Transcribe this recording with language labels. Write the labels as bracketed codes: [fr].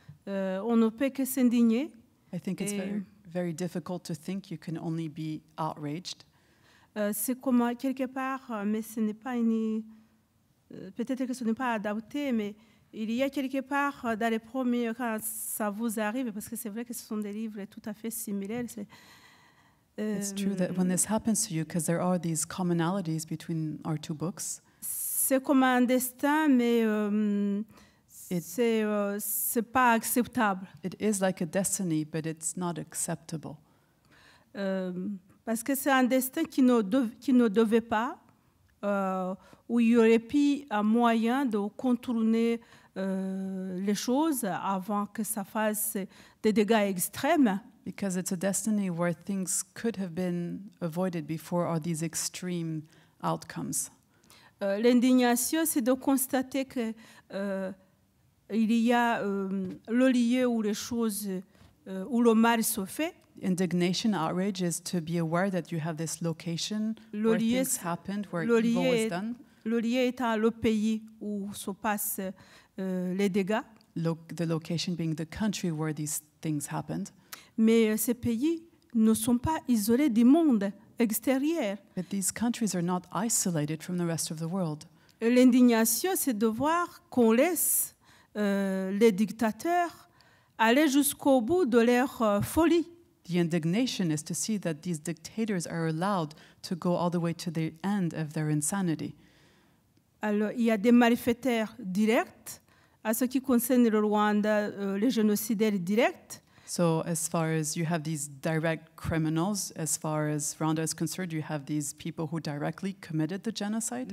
[fr] On ne peut que s'indigner. [en] I think it's very difficult to think you can only be outraged. [fr] C'est comme quelque part, mais ce n'est pas une. Peut-être que ce n'est pas adapté, mais. Il y a quelque part dans les premiers, quand ça vous arrive, parce que c'est vrai que ce sont des livres tout à fait similaires. [en] It's true that when this happens to you, because there are these commonalities between our two books. [fr] C'est comme un destin, mais c'est pas acceptable. [en] It is like a destiny, but it's not acceptable. [fr] Parce que c'est un destin qui ne devait pas, où il y aurait pu un moyen de contourner les choses avant que ça fasse des dégâts extrêmes. [en] Because it's a destiny where things could have been avoided before are these extreme outcomes. [fr] L'indignation, c'est de constater que il y a le lieu où les choses où le mal se fait. [en] Indignation, outrage is to be aware that you have this location where things happened, where evil was done. [fr] Le lieu étant le pays où se passe les dégâts. [en] The location being the country where these things happened. [fr] Mais ces pays ne sont pas isolés du monde extérieur. [en] But these countries are not isolated from the rest of the world. [fr] Et l'indignation, c'est de voir qu'on laisse les dictateurs aller jusqu'au bout de leur folie. [en] The indignation is to see that these dictators are allowed to go all the way to the end of their insanity. [fr] Alors, il y a des malfaiteurs directs. À ce qui concerne le Rwanda, les génocidaires directs. [en] So as far as you have these direct criminals, as far as Rwanda is concerned, you have these people who directly committed the genocide.